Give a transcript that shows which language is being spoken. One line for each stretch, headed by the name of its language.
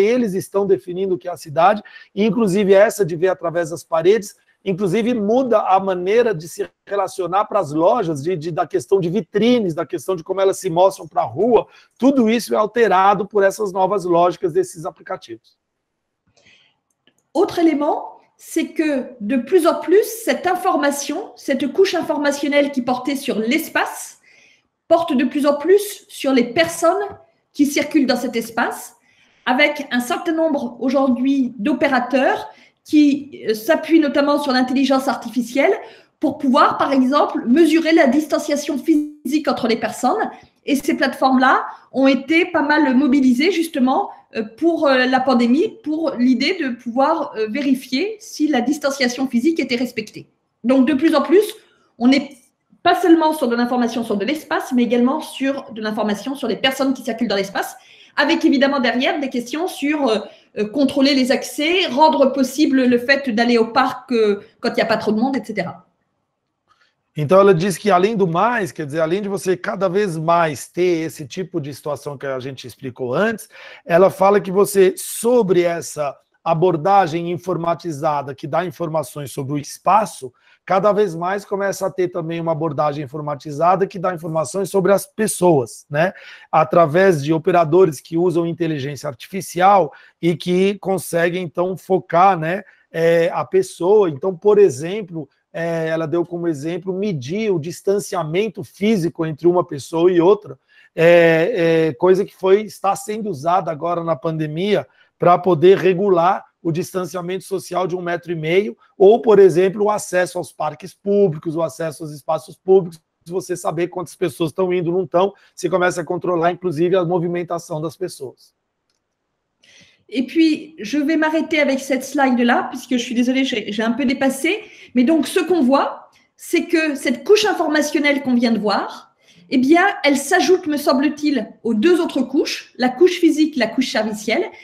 Portuguese: Eles estão definindo o que é a cidade, inclusive essa de ver através das paredes, inclusive muda a maneira de se relacionar para as lojas, da questão de vitrines, da questão de como elas se mostram para a rua, tudo isso é alterado por essas novas lógicas desses aplicativos. Outro elemento é que,
French: de plus en plus,
Portuguese: essa informação, essa
French: couche informacional que portait sur l'espace, porte de plus en plus sur les personnes qui circulent dans cet espace, avec un certain nombre aujourd'hui d'opérateurs qui s'appuie notamment sur l'intelligence artificielle pour pouvoir, par exemple, mesurer la distanciation physique entre les personnes. Et ces plateformes-là ont été pas mal mobilisées justement pour la pandémie, pour l'idée de pouvoir vérifier si la distanciation physique était respectée. Donc, de plus en plus, on n'est pas seulement sur de l'information sur de l'espace, mais également sur de l'information sur les personnes qui circulent dans l'espace, avec évidemment derrière des questions sur contrôler les accès, rendre possible le fait d'aller au parc quand il n'y a pas trop de monde, etc.
Portuguese: Então, ela diz que, além do mais, quer dizer, além de você cada vez mais ter esse tipo de situação que a gente explicou antes, ela fala que você, sobre essa abordagem informatizada que dá informações sobre o espaço, cada vez mais começa a ter também uma abordagem informatizada que dá informações sobre as pessoas, né? Através de operadores que usam inteligência artificial e que conseguem, então, focar, né, a pessoa. Então, por exemplo, ela deu como exemplo medir o distanciamento físico entre uma pessoa e outra, coisa que está sendo usada agora na pandemia para poder regular o distanciamento social de 1,5 metros, ou, por exemplo, o acesso aos parques públicos, o acesso aos espaços públicos, você saber quantas pessoas estão indo, não estão, você começa a controlar, inclusive, a movimentação das pessoas.
French: Et puis, je vais m'arrêter avec cette slide-là, puisque je suis désolée, j'ai un peu dépassé. Mais donc, ce qu'on voit, c'est que cette couche informationnelle qu'on vient de voir, eh bien, elle s'ajoute, me semble-t-il, aux deux autres couches, la couche physique, la couche servicielle.